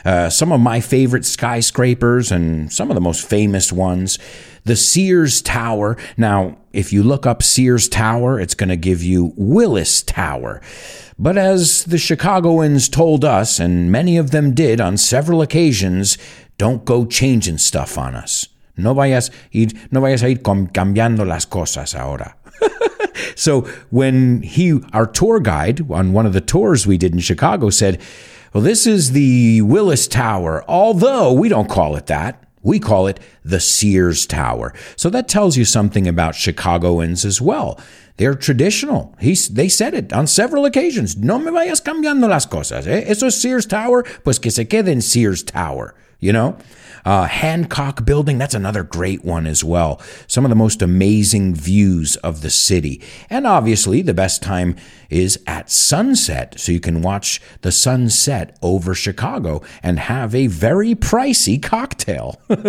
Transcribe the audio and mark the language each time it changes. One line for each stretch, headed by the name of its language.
English: Some of my favorite skyscrapers, and some of the most famous ones, the Sears Tower. Now, if you look up Sears Tower, it's going to give you Willis Tower. But as the Chicagoans told us, and many of them did on several occasions, don't go changing stuff on us.
Spanish: No vayas a ir cambiando las cosas ahora.
English: So when our tour guide on one of the tours we did in Chicago said, well, this is the Willis Tower, although we don't call it that. We call it the Sears Tower. So that tells you something about Chicagoans as well. They're traditional. They said it on several occasions.
Spanish: No me vayas cambiando las cosas. ¿Eh? Eso es Sears Tower, pues que se quede en Sears Tower.
English: You know? Hancock Building, that's another great one as well. Some of the most amazing views of the city. And obviously, the best time is at sunset, so you can watch the sunset over Chicago and have a very pricey cocktail.